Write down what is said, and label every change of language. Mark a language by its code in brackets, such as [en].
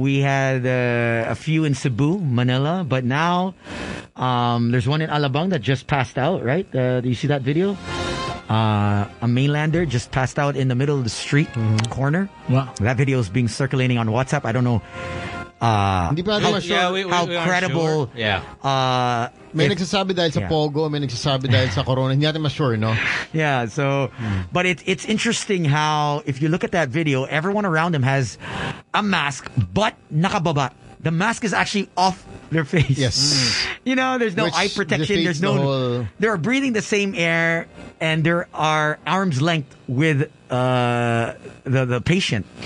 [en] We had a few in Cebu, Manila, but now there's one in Alabang that just passed out, right? Do you see that video? A mainlander just passed out in the middle of the street corner. Wow. That video is being circulating on WhatsApp. I don't know how credible. [tl] May nagsasabi dahil sa Pogo, may nagsasabi dahil sa Corona. Hindi natin masure, no? [en] Yeah, so... But it's interesting how, if you look at that video, everyone around him has a mask, but nakababa. The mask is actually off their face. Yes. You know, there's no eye protection. There's no... They're breathing the same air, and there are arm's length with the patient.